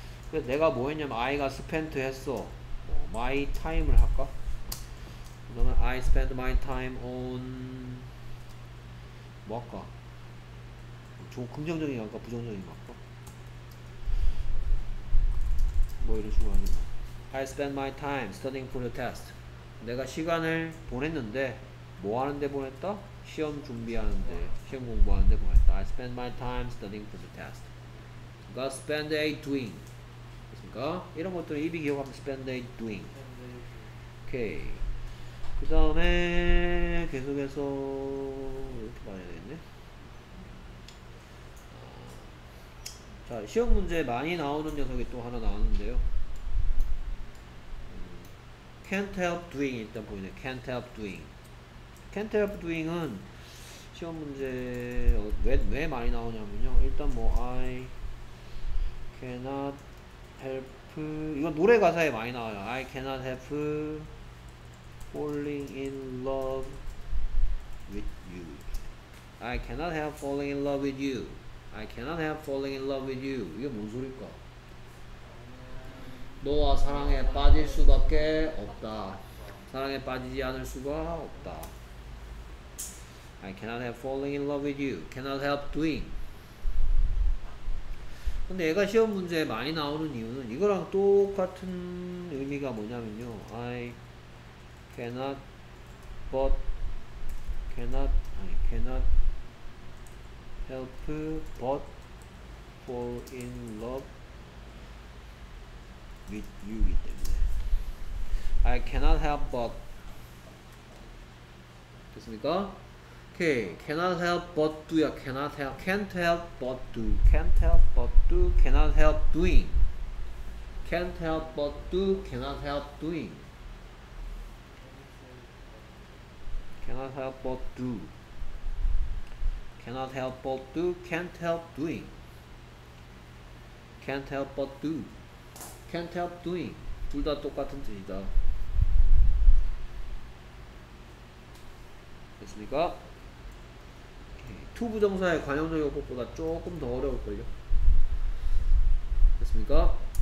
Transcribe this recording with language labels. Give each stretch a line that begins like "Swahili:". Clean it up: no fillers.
Korean: 그래서 내가 뭐 했냐면 I가 spent 했어. 뭐, my time을 할까? 그러면 I spend my time on 뭐 할까? 좀 긍정적인 걸까? 부정적인 걸까? 뭐 이런 식으로 하는 거.
English: I spend my time studying for the test.
Korean: 내가 시간을 보냈는데 뭐 하는데 보냈다? 시험 준비하는데, 시험 공부하는데 보냈다.
English: I spend my time studying for the test. Got spend a day doing.
Korean: 그러니까 이런 것들은 입이 기억하면
English: spend a day doing. Okay.
Korean: 그 다음에 계속해서 이렇게 봐야 되겠네. 자, 시험 문제 많이 나오는 녀석이 또 하나 나왔는데요.
English: Can't help doing
Korean: 일단 보이네.
English: Can't help doing. Can't help doing은
Korean: 시험 문제 왜 많이 나오냐면요. 일단 뭐
English: I cannot help.
Korean: 이건 노래 가사에 많이 나와요.
English: I cannot help falling in love with you. I cannot help falling in love with you. I cannot help falling in love with you.
Korean: 이게 뭔 소릴까? 너와 사랑에 빠질 수밖에 없다. 사랑에 빠지지 않을 수가 없다.
English: I cannot help falling in love with you. Cannot help doing.
Korean: 근데 얘가 시험 문제에 많이 나오는 이유는 이거랑 똑같은 의미가 뭐냐면요.
English: I cannot but cannot I cannot help but fall in love with you
Korean: 이기 때문에
English: I cannot help but
Korean: 됐습니까?
English: Okay, cannot help but do ya cannot help can't help but do can't help but do cannot help doing can't help but do cannot help doing cannot help but do cannot help but do can't help doing can't help but do can't help doing
Korean: 둘 다 똑같은 뜻이다 됐습니까? 투 부정사의 관용적 요법보다 조금 더 어려울걸요 됐습니까?